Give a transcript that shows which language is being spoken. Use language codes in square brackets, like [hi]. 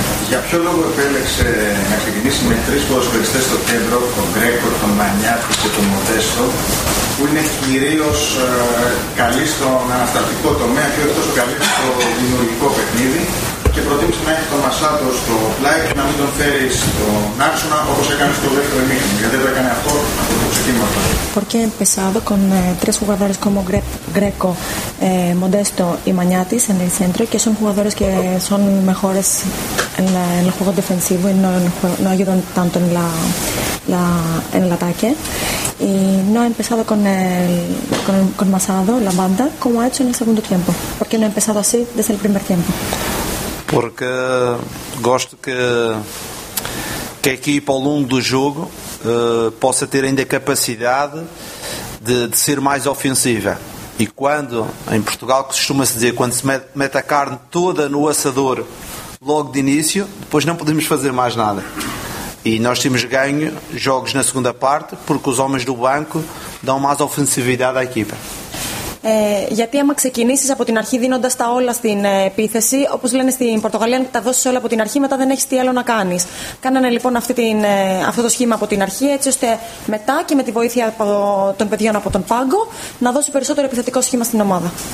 [el] Για ποιο λόγο επέλεξε να ξεκινήσει με τρεις ποδοσφαιριστές στο κέντρο, τον Γκρέκο, τον Μανιάτη και τον Μοντέστο, που είναι κυρίως καλή στον ανασταλτικό τομέα και όχι τόσο καλή στο δημιουργικό παιχνίδι, και προτίμησε να έχει τον Μασάτο στο πλάι και να μην τον φέρει στον άξονα όπως έκανε στο δεύτερο ημίχρονο, γιατί δεν το έκανε αυτό από το ξεκίνημα του. [es] Porque empezado con tres jugadores como Greco, Modesto y Mañatis en el centro, que son jugadores que son mejores en el juego defensivo y no ayudan tanto en el ataque. Y no ha empezado con Masado, la banda, como ha hecho en el segundo tiempo. ¿Por qué no ha empezado así desde el primer tiempo? [pt] Porque gosto que a equipa ao longo do jogo possa ter ainda a capacidade de ser mais ofensiva. E quando, em Portugal, costuma-se dizer, quando se mete a carne toda no assador logo de início, depois não podemos fazer mais nada. E nós temos ganho jogos na segunda parte porque os homens do banco dão mais ofensividade à equipa. [el] Γιατί άμα ξεκινήσεις από την αρχή δίνοντας τα όλα στην επίθεση, όπως λένε στην Πορτογαλία, αν τα δώσεις όλα από την αρχή, μετά δεν έχεις τι άλλο να κάνεις. Κάνανε λοιπόν αυτό το σχήμα από την αρχή, έτσι ώστε μετά και με τη βοήθεια των παιδιών από τον πάγκο να δώσει περισσότερο επιθετικό σχήμα στην ομάδα.